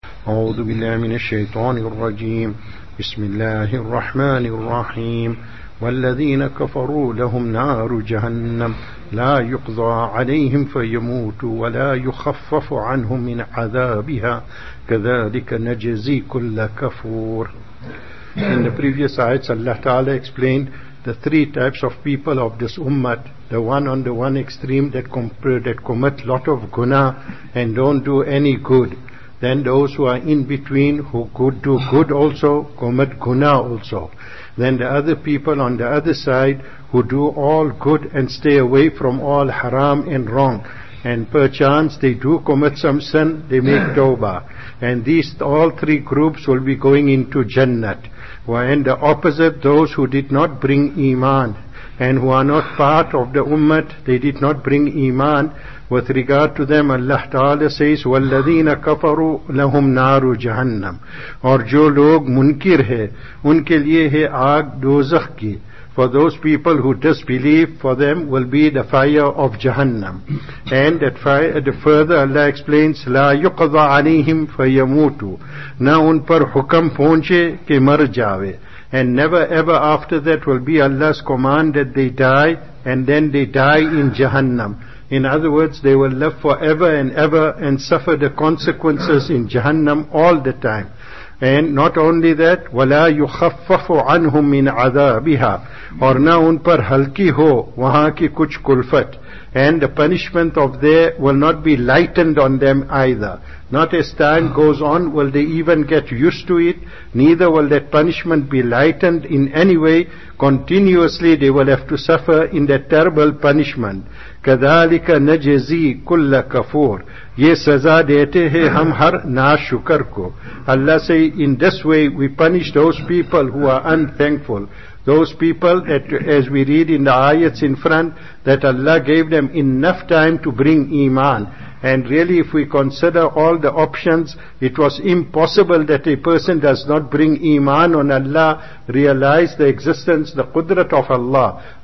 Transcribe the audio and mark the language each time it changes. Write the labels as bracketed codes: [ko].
[ar] أعوذ بالله من الشيطان الرجيم. بسم الله الرحمن الرحيم. والذين كفروا لهم نار جهنم لا يقضى عليهم فيموتوا ولا يخفف عنهم من عذابها كذلك نجزي كل كفور. [en] In the previous ayats, Allah Ta'ala explained the three types of people of this ummah. The one on the one extreme that commit lot of guna and don't do any good. Then those who are in between, who could do good also, commit guna also. Then the other people on the other side, who do all good and stay away from all haram and wrong. And perchance they do commit some sin, they make tawbah. And these all three groups will be going into Jannat. And the opposite, those who did not bring iman, and who are not part of the ummah, they did not bring iman. With regard to them, Allah Ta'ala says, [ar] وَالَّذِينَ كَفَرُوا لَهُمْ نَارُ جَهَنَّمْ. [ur] اور جو لوگ منکر ہے ان کے لئے ہے آگ دوزخ کی. [en] For those people who disbelieve, for them will be the fire of Jahannam. And that fire, the further Allah explains, [ar] لا يقضى عليهم فيموتوا. [ur] نہ ان پر حکم پہنچے کہ مر جاوے. [en] And never ever after that will be Allah's command that they die, and then they die in Jahannam. In other words, they will live forever and ever and suffer the consequences in Jahannam all the time. And not only that, [ar] وَلَا يُخَفَّفُ عَنْهُمْ مِنْ عَذَابِهَا. [ur] اور نہ ان پر ہلکی ہو وہاں کی کچھ کلفت. [en] And the punishment of there will not be lightened on them either. Not as time goes on will they even get used to it, neither will that punishment be lightened in any way. Continuously they will have to suffer in that terrible punishment. [ar] كَذَلِكَ نَجَزِي كُلَّ كَفُور. [ur] یہ سزا دیتے ہیں ہم ہر ناشکر کو. [en] Allah say, in this way we punish those people who are unthankful. Those people that, as we read in the ayats in front, that Allah gave them enough time to bring iman. And really, if we consider all the options, it was impossible that a person does not bring iman on Allah, realize the existence, the qudrat of Allah.